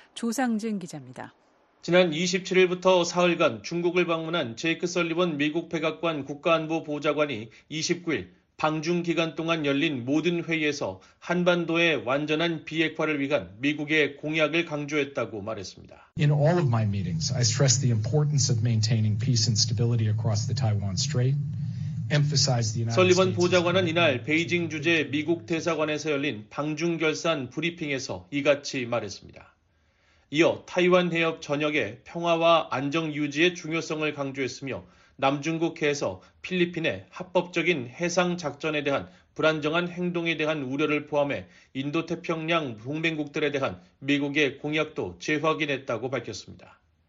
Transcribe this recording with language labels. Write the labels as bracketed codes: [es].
[ko] 조상진 기자입니다. 지난 27일부터 사흘간 중국을 방문한 제이크 설리번 미국 백악관 국가안보보좌관이 29일 방중 기간 동안 열린 모든 회의에서 한반도의 완전한 비핵화를 위한 미국의 공약을 강조했다고 말했습니다. [en] In all of my meetings, I stressed the importance of maintaining peace and stability across the Taiwan Strait. [ko] 설리번 보좌관은 이날 베이징 주재 미국 대사관에서 열린 방중 결산 브리핑에서 이같이 말했습니다. 이어 타이완 해협 전역의 평화와 안정 유지의 중요성을 강조했으며 남중국해에서 필리핀의 합법적인 해상작전에 대한 불안정한 행동에 대한 우려를 포함해 인도태평양 동맹국들에 대한 미국의 공약도 재확인했다고 밝혔습니다.